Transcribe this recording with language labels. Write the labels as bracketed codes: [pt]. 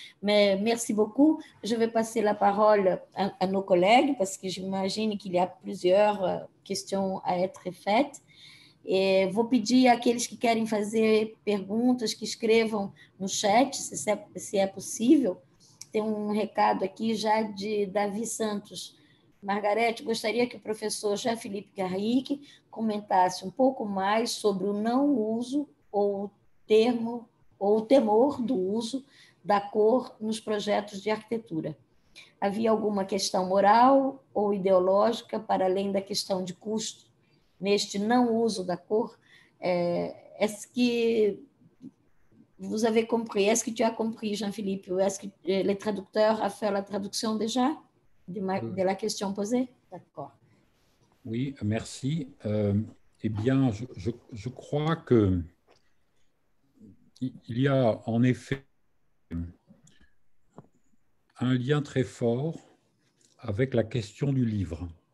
[fr] Mais merci beaucoup. Je vais passer la parole à nos collègues parce que j'imagine qu'il y a plusieurs questions à être faites. [pt] Et vou pedir àqueles que querem fazer perguntas que escrevam no chat, se é possível. Tem um recado aqui já de Davi Santos. Margarete, gostaria que o professor Jean Philippe Garrigue comentasse um pouco mais sobre o não uso ou o termo, ou o temor do uso da cor nos projetos de arquitetura. Havia alguma questão moral ou ideológica para além da questão de custo neste não uso da cor? [fr] Est-ce que vous avez compris? Est-ce que tu as compris, Jean Philippe? Ou est-ce que le traducteur a fait la traduction déjà? De la question posée? D'accord. Oui, merci. Eh bien, je crois que il y a en effet un lien très fort avec la question du livre.